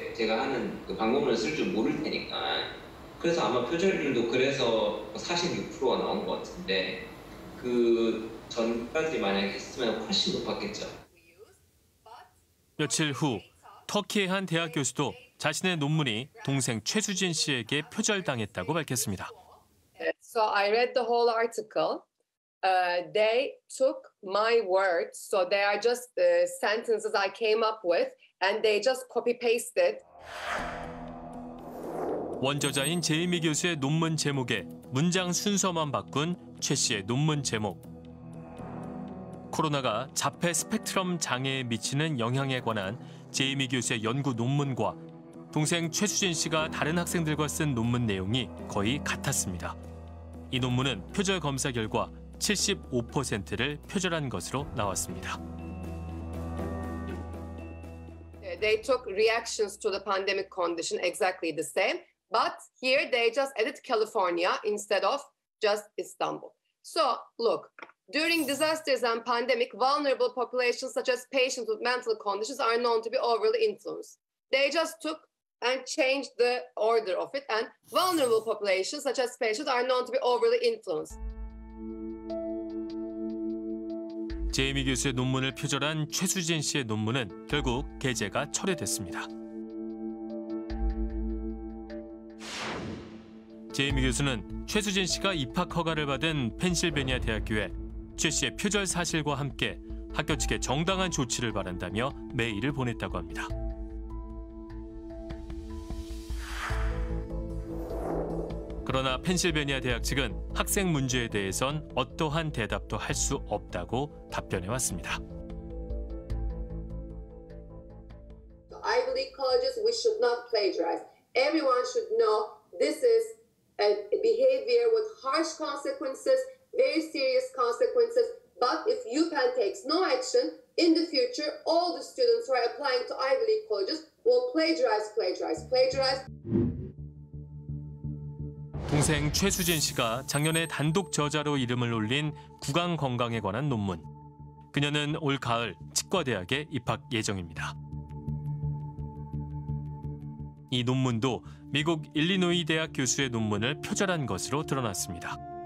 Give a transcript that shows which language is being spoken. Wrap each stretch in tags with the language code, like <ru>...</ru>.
<ko>제가 하는 그 방법론을 쓸 줄 모를 테니까. 그래서 아마 표절률도 그래서 46%가 나온 것 같은데 그 전까지 만약에 했으면 훨씬 높았겠죠. 며칠 후 터키의 한 대학 교수도 자신의 논문이 동생 최수진 씨에게 표절당했다고 밝혔습니다.</ko> <en>So I read the whole article. They took my words, so they are just the sentences I came up with, and they just copy-pasted.</en> <ko>원저자인 제이미 교수의 논문 제목에 문장 순서만 바꾼 최 씨의 논문 제목. 코로나가 자폐 스펙트럼 장애에 미치는 영향에 관한 제이미 교수의 연구 논문과 동생 최수진 씨가 다른 학생들과 쓴 논문 내용이 거의 같았습니다. 이 논문은 표절 검사 결과 75%를 표절한 것으로 나왔습니다.</ko> <en>They took reactions to the pandemic condition exactly the same, but here they just added California instead of just Istanbul. So, look. During disasters and pandemic, vulnerable populations such as patients with mental conditions are known to be overly influenced. They just took and changed the order of it, and vulnerable populations such as patients are known to be overly influenced.</en> <ko>제이미 교수의 논문을 표절한 최수진 씨의 논문은 결국 게재가 철회됐습니다. 제이미 교수는 최수진 씨가 입학 허가를 받은 펜실베니아 대학교에 최 씨의 표절 사실과 함께 학교 측에 정당한 조치를 바란다며 메일을 보냈다고 합니다. 그러나 펜실베니아 대학 측은 학생 문제에 대해선 어떠한 대답도 할 수 없다고 답변해 왔습니다.</ko> <en>I believe colleges we should not plagiarize. Everyone should know this is a behavior with harsh consequences. Very serious consequences, but if UPenn takes no action, in the future, all the students who are applying to Ivy League colleges will plagiarize.</en> <ko>동생 최수진 씨가 작년에 단독 저자로 이름을 올린 구강 건강에 관한 논문. 그녀는 올 가을 치과대학에 입학 예정입니다. 이 논문도 미국 일리노이 대학 교수의 논문을 표절한 것으로 드러났습니다.</ko>